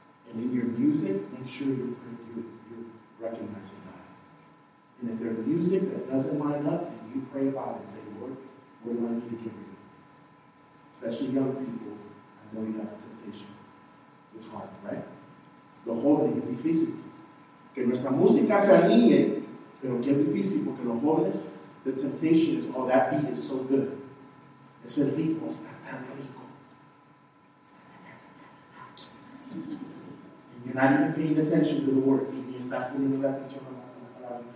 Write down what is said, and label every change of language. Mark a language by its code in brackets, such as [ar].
[en] And in your music, make sure you're recognizing God. And if there's music that doesn't line up, then you pray about it and say, Lord, what do I need to give you? Especially young people, I know you have a temptation. It's hard, right? [es] Los jóvenes, es difícil. Que nuestra música se alinee, pero que es difícil, porque los jóvenes, [en] the temptation is, oh, that beat is so good. [es] Ese ritmo está tan rico. [en] And you're not even paying attention to the words. [es] Y ni estás poniendo la atención a la palabra.